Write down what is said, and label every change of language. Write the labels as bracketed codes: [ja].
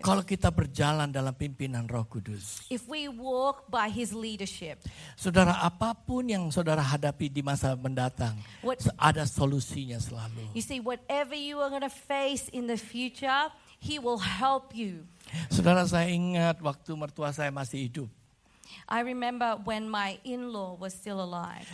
[id] Kalau kita berjalan dalam pimpinan Roh Kudus. [en] If we walk by his leadership. [id] Saudara, apapun yang saudara hadapi di masa mendatang, ada solusinya selalu. [en] You see, whatever you are going to face in the future, he will help you. [id] Saudara, saya ingat waktu mertua saya masih hidup. [en] I remember when my in-law was still alive.